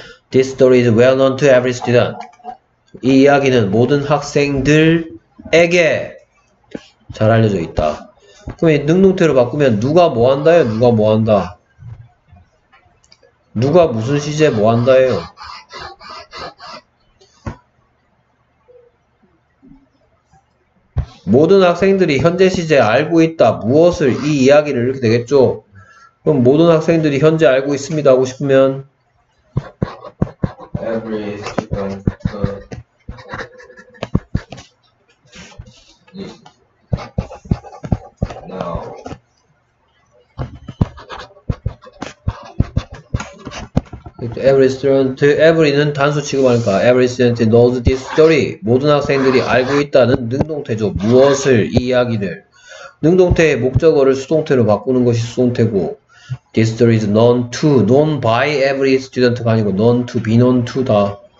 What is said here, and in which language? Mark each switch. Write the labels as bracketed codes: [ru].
[en] this story is well known to every student. [ko] 이 이야기는 모든 학생들에게 잘 알려져 있다. 그럼 능동태로 바꾸면 누가 뭐 한다요? 누가 뭐 한다? 누가 무슨 시제 뭐 한다요? 모든 학생들이 현재 시제 알고 있다. 무엇을 이 이야기를 이렇게 되겠죠? 그럼 모든 학생들이 현재 알고 있습니다 하고 싶으면 [en] every student now every student, every는 [ko] 단수 취급하니까 [en] every student knows this story. [ko] 모든 학생들이 알고 있다는 능동태죠. 무엇을 이 이야기를 능동태의 목적어를 수동태로 바꾸는 것이 수동태고 [en] this story is known to, known by every student [ko] 가 아니고 known to, be known to다.